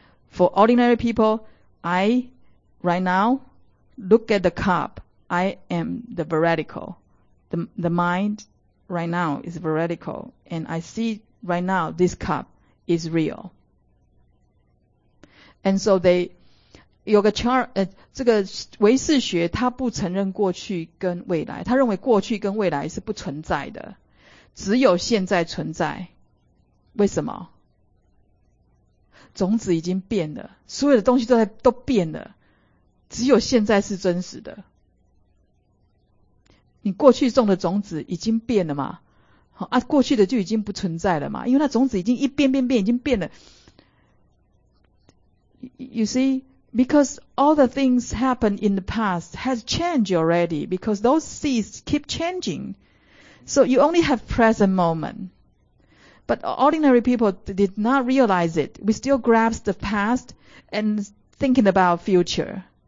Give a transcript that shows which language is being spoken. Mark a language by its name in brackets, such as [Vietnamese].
[English] For ordinary people, I right now look at the cup. I am the veridical. The mind right now is veridical. And I see right now this cup is real. And so they... [Chinese] 有个 这个唯识学他不承认过去跟未来，他认为过去跟未来是不存在的，只有现在存在。为什么？种子已经变了，所有的东西都变了，只有现在是真实的。你过去种的种子已经变了吗？啊，过去的就已经不存在了吗？因为那种子已经一变已经变了。 [English] You seeBecause all the things happened in the past has changed already, because those seeds keep changing. So you only have present moment. But ordinary people did not realize it. We still grasp the past and thinking about future.